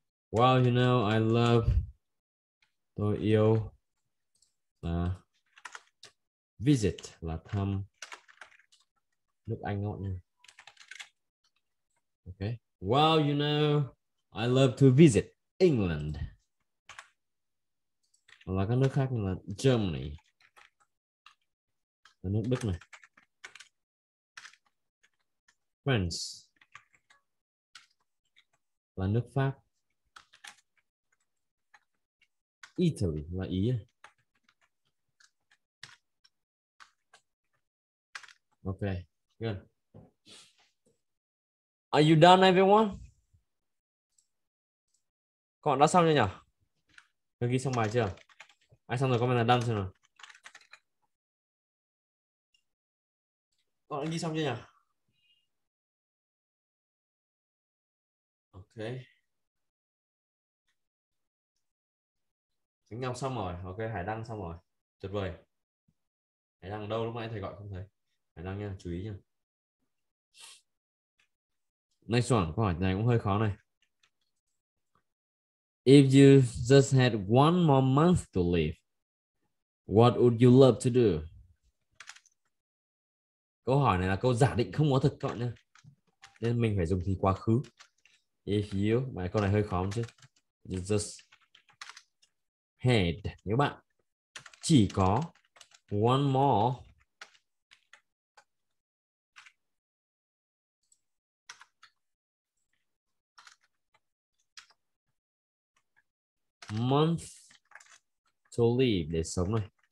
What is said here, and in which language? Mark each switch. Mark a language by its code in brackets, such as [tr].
[en] Well, you know, I love, [vi] tôi yêu là visit là thăm nước Anh ngọn nha. [en] Ok. Well, you know, I love to visit England. [vi] Hoặc là các nước khác như là Germany. Là nước Đức này. [en] France. [vi] Là nước Pháp. Italy là Ý. [en] Okay, good. Are you done, everyone? [vi] Các bạn đã xong chưa nhỉ? Đã ghi xong bài chưa? Ai xong rồi comment là done xem nào. Các bạn đã ghi xong chưa nhỉ? Ok. Chính nhau xong rồi. Ok, Hải Đăng xong rồi. Tuyệt vời. Hải Đăng ở đâu lúc nãy thầy gọi không thấy. Hải Đăng nha, chú ý nha. [en] Next one, [vi] câu hỏi này cũng hơi khó này. [en] If you just had one more month to live, what would you love to do? [vi] Câu hỏi này là câu giả định không có thực các bạn nha. Nên mình phải dùng thì quá khứ. [en] If you, [vi] mà câu này hơi khó không chứ. [en] You just had, [vi] nếu bạn chỉ có [en] one more month to live, [vi] để sống này.